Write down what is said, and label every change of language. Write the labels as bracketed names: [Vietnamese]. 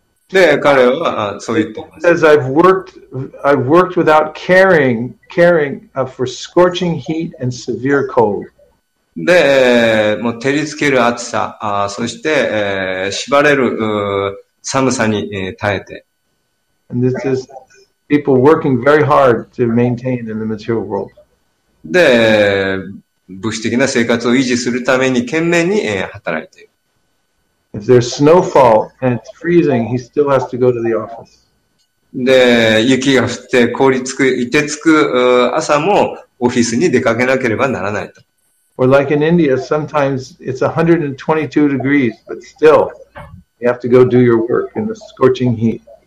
[Japanese] で、彼はそう言ってます。 [English] He says, I've worked without caring for scorching heat and severe cold. [Japanese] で、もう照りつける暑さ、そして、縛れる寒さに、耐えて。 [English] And this is people working very hard to maintain in the material world. [Japanese] で、物質的な生活を維持するために懸命に、働いている。 [English] If there's snowfall and it's freezing, he still has to go to the office. [Japanese] で、雪が降って凍りつく、凍てつく朝もオフィスに出かけなければならないと。 [English] Or like in India, sometimes it's 122 degrees, but still, you have to go do your work in the scorching heat.